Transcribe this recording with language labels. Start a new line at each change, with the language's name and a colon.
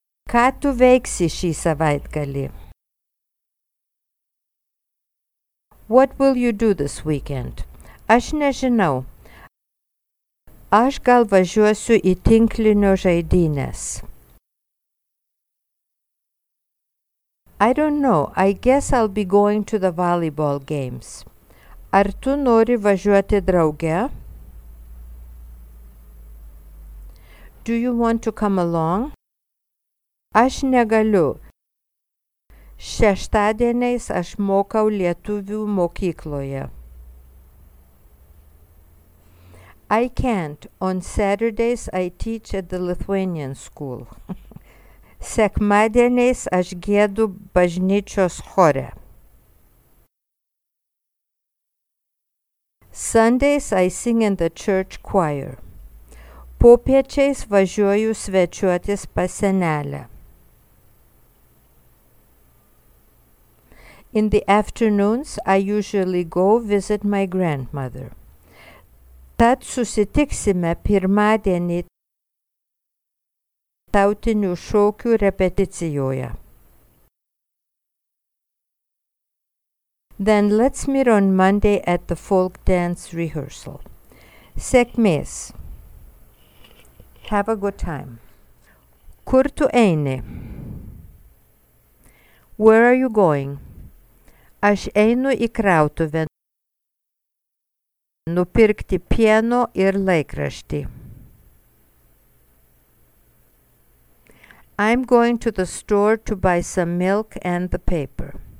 Lithuanian: Ką tu veiksi šį savaitgalį?
English: What will you do this weekend?
Lithuanian: Aš nežinau. Aš gal važiuosiu į tinklinio žaidynes.
English: I don't know. I guess I'll be going to the volleyball games.
Lithuanian: Ar tu nori važiuoti drauge?
English: Do you want to come along?
Lithuanian: Aš negaliu. Šeštadieniais aš mokau lietuvių mokykloje.
English: I can't. On Saturdays I teach at the Lithuanian school.
Lithuanian: Sekmadieniais aš giedu bažnyčios chore.
English: Sundays I sing in the church choir.
Lithuanian: Popiečiais važiuoju svečiuotis pas senelę.
English: In the afternoons I usually go visit my grandmother.
Lithuanian: Tad susitiksime pirmadienį tautinių šokių repeticijoje.
English: Then let's meet on Monday at the folk dance rehearsal.
Lithuanian: Sėkmės.
English: Have a good time.
Lithuanian: Kur tu eini?
English: Where are you going?
Lithuanian: Aš einu į krautuvę nupirkti pieno ir laikraštį.
English: I'm going to the store to buy some milk and the paper.